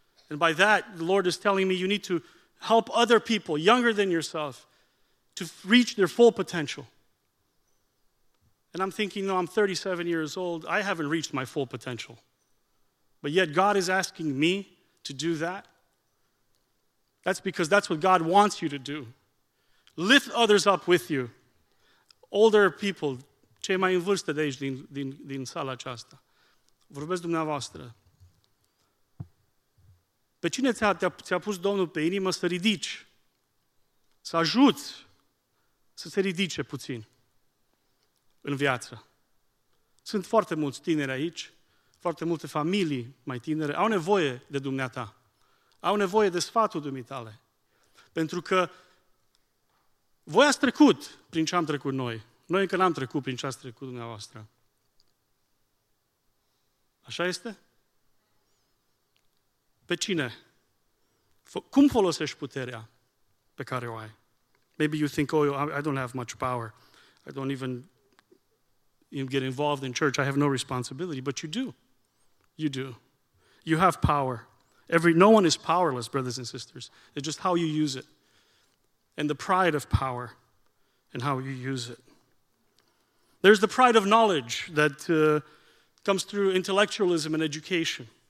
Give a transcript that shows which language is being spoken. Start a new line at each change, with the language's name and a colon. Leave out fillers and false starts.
English: And by that, the Lord is telling me you need to help other people younger than yourself to reach their full potential. And I'm thinking, no, I'm 37 years old. I haven't reached my full potential. But yet God is asking me to do that. That's because that's what God wants you to do. Lift others up with you. Older people,
Romanian: cei mai în vârstă de aici din sala aceasta, vorbesc dumneavoastră. Pe cine ți-a pus Domnul pe inimă să ridici? Să ajuți să se ridice puțin în viață. Sunt foarte mulți tineri aici, foarte multe familii mai tinere, au nevoie de dumneata, au nevoie de sfatul dumitale. Pentru că voi ați trecut prin ce am trecut noi. Noi încă n-am trecut prin ce ați trecut dumneavoastră. Așa este? Pe cine? Cum folosești puterea pe care o ai?
English: Maybe you think, oh, I don't have much power. I don't even get involved in church. I have no responsibility. But you do. You do. You have power. No one is powerless, brothers and sisters. It's just how you use it. And the pride of power and how you use it. There's the pride of knowledge that comes through intellectualism and education.